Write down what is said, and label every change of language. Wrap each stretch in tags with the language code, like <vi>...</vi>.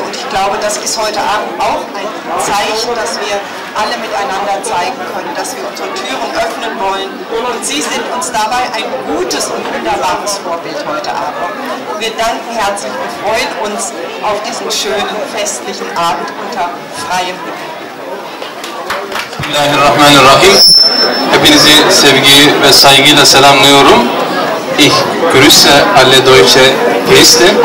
<de>Und ich glaube, das ist heute Abend auch ein Zeichen, dass wir alle miteinander zeigen können, dass wir unsere Türen öffnen wollen. Und Sie sind uns dabei ein gutes und wunderbares Vorbild heute Abend. Wir danken herzlich und freuen uns auf diesen schönen festlichen Abend unter freiem Himmel.</de> <ar>Bismillahirrahmanirrahim.</ar> <tr>Hepinizi sevgi ve saygıyla selamlıyorum.</tr> <de>Ich grüße alle deutsche Gäste.</de>